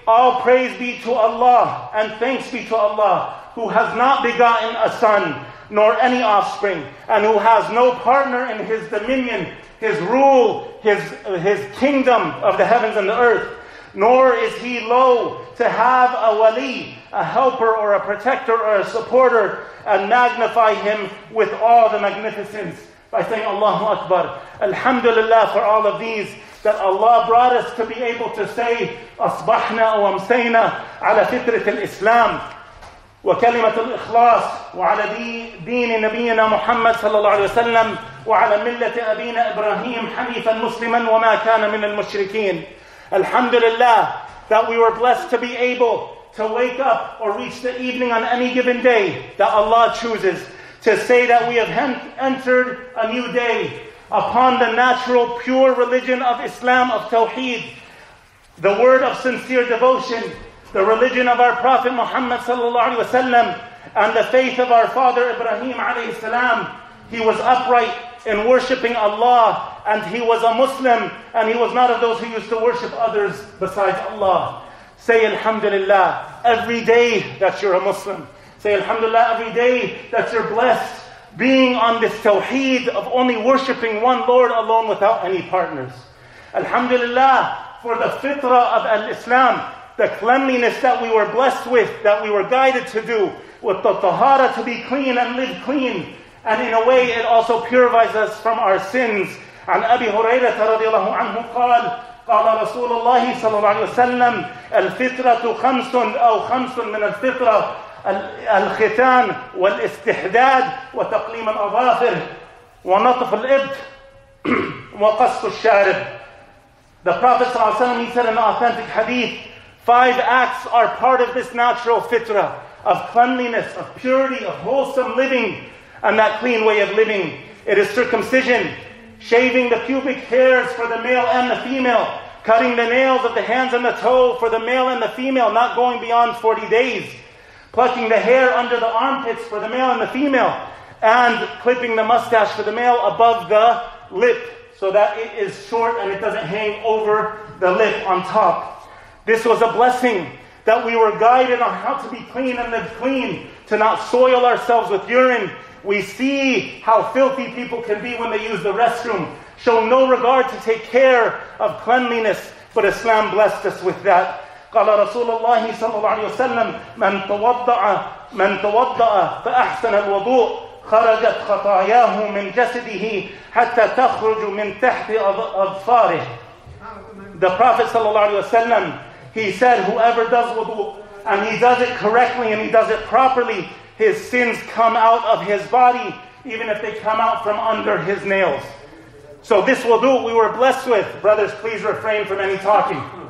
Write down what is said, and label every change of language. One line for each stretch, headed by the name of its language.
English: All praise be to Allah and thanks be to Allah who has not begotten a son nor any offspring and who has no partner in his dominion, his rule, his kingdom of the heavens and the earth. Nor is he low to have a wali, a helper or a protector or a supporter and magnify him with all the magnificence by saying Allahu Akbar. Alhamdulillah for all of these that Allah brought us to be able to say
Arabic: أصبحنا وامسينا على فطرة الإسلام وكلمة الإخلاص وعلى دين نبينا محمد صلى الله عليه وسلم وعلى ملة أبينا إبراهيم حنيفا مسلما وما كان من المشركين.
English: Alhamdulillah that we were blessed to be able to wake up or reach the evening on any given day that Allah chooses, to say that we have entered a new day upon the natural pure religion of Islam, of Tawheed, the word of sincere devotion, the religion of our Prophet Muhammad sallallahu alaihi wasallam, and the faith of our father Ibrahim alayhi salam. He was upright in worshipping Allah, and he was a Muslim, and he was not of those who used to worship others besides Allah. Say Alhamdulillah every day that you're a Muslim. Say Alhamdulillah every day that you're blessed being on this Tawheed of only worshipping one Lord alone without any partners. Alhamdulillah for the fitrah of al-Islam, the cleanliness that we were blessed with, that we were guided to do, with the tahara to be clean and live clean. And in a way, it also purifies us from our sins.
Arabic: عن أبي هريرة رضي الله عنه قال قال رسول الله صلى الله عليه وسلم الفطرة خمس أو خمس من الفطرة الختان والاستحداد وتقليم الأظافر ونطف الإبط وقص الشارب.
English: The Prophet صلى الله عليه وسلم, he said in an authentic hadith, five acts are part of this natural fitra of cleanliness, of purity, of wholesome living, and that clean way of living. It is circumcision, shaving the pubic hairs for the male and the female, cutting the nails of the hands and the toe for the male and the female, not going beyond 40 days, plucking the hair under the armpits for the male and the female, and clipping the mustache for the male above the lip so that it is short and it doesn't hang over the lip on top. This was a blessing that we were guided on how to be clean and live clean, to not soil ourselves with urine. We see how filthy people can be when they use the restroom. Show no regard to take care of cleanliness, but Islam blessed us with that.
Arabic: قال رسول الله صلى الله عليه وسلم من توضأ فأحسن الوضوء خرجت خطاياه من جسده حتى تخرج من تحت أظفاره.
English: The Prophet صلى الله عليه وسلم, he said, whoever does wudu and he does it correctly and he does it properly, his sins come out of his body, even if they come out from under his nails. So this wudu we were blessed with, brothers, please refrain from any talking.